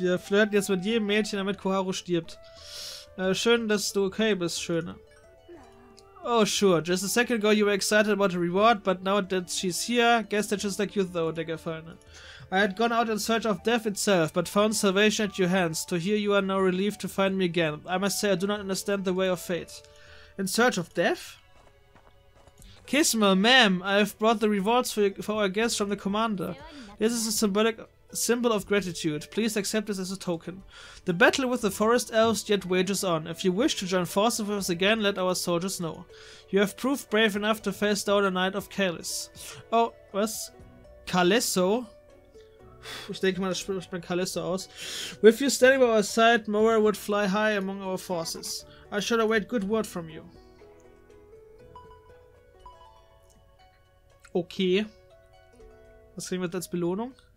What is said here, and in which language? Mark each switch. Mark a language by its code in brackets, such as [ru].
[de] Wir flirten jetzt mit jedem Mädchen, damit Koharu stirbt. Schön, dass du okay bist, Schöne. [en] Oh, sure. Just a second ago you were excited about the reward, but now that she's here, guess that's just like you though, [de] der Gefallene. [en] I had gone out in search of death itself, but found salvation at your hands. To hear you are now relieved to find me again. I must say, I do not understand the way of fate. In search of death? Kismel, ma'am, I have brought the rewards for our guests from the commander. This is a symbol of gratitude. Please accept this as a token. The battle with the forest elves yet wages on. If you wish to join forces with us again, let our soldiers know. You have proved brave enough to face down a knight of Kalis. Oh, was? Kalesso? [de] Ich denke mal, das spricht man Kalesso aus. [en] With you standing by our side, morale would fly high among our forces. I should await good word from you. [de] Okay. Was kriegen wir jetzt als Belohnung?